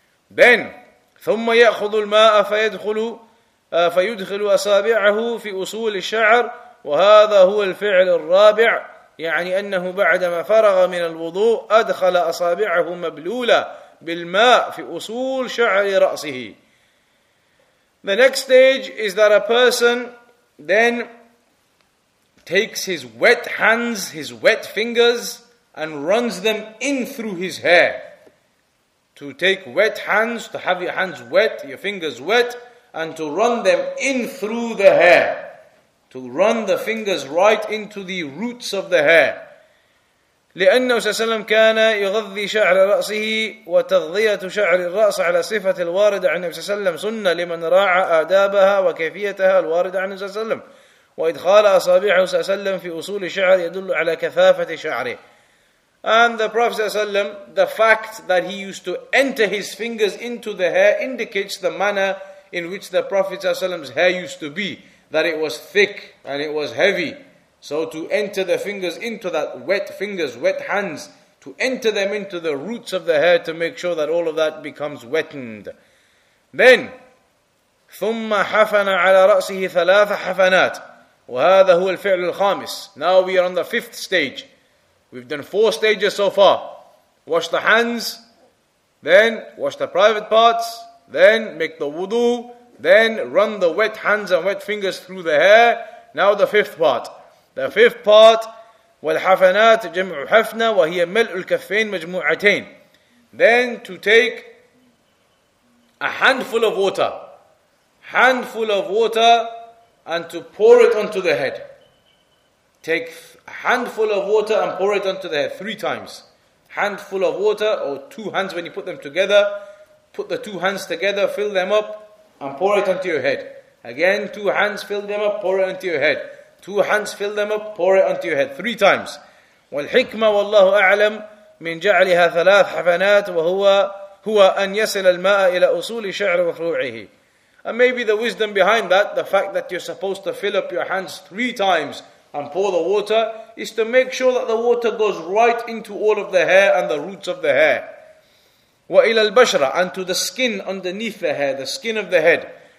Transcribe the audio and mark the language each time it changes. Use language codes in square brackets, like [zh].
[en] Then, [ar] ثُمَّ يَأْخُذُ الْمَاءَ فَيُدْخِلُ أَصَابِعَهُ فِي أُصُولِ الشَّعَرِ وَهَذَا هُوَ الْفِعْلِ الرَّابِعِ يعني أنه بعدما فرغ من الوضوء أدخل أصابعه مبلولة بالماء في أصول شعر رأسه. [en] The next stage is that a person then takes his wet hands, his wet fingers, and runs them in through his hair. To take wet hands, to have your hands wet, your fingers wet, and to run them in through the hair. To run the fingers right into the roots of the hair. [ar] لأنه صلى الله عليه وسلم كان يغذي شعر رأسه وتغذية شعر الرأس على صفة الواردة عن النبي صلى الله عليه وسلم سنة لمن راعى آدابها وكيفيتها الواردة عن النبي صلى الله عليه وسلم. وإدخال أصابعه صلى الله عليه وسلم في أصول شعر يدل على كثافة شعره. [en] And the Prophet ﷺ, the fact that he used to enter his fingers into the hair indicates the manner in which the Prophet ﷺ's hair used to be, that it was thick and it was heavy. So to enter the fingers into that, wet fingers, wet hands, to enter them into the roots of the hair to make sure that all of that becomes wettened. Then, [ar] ثُمَّ حَفَنَ عَلَى رَأْسِهِ ثَلَاثَ حَفَنَاتٍ وَهَذَا هُوَ الْفِعْلُ الْخَامِسِ. [en] Now we are on the fifth stage. We've done four stages so far. Wash the hands, then wash the private parts, then make the wudu, then run the wet hands and wet fingers through the hair. Now the fifth part. The fifth part, [ar] والحفنات جمع حفنة وهي ملء الكفين مجموعتين. [en] Then to take a handful of water, and to pour it onto the head. Take a handful of water and pour it onto the head three times. Handful of water, or two hands when you put them together. Put the two hands together, fill them up, and pour it onto your head. Again, two hands, fill them up, pour it onto your head. Two hands, fill them up, pour it onto your head. Three times. [ar] والحكمة والله أعلم من جعلها ثلاث حفنات وهو أن يصل الماء إلى أصول شعر وفروعه. [en] And maybe the wisdom behind that, the fact that you're supposed to fill up your hands three times and pour the water, is to make sure that the water goes right into all of the hair and the roots of the hair. [ar] وَإِلَى الْبَشْرَةِ [en] And to the skin underneath the hair, the skin of the head.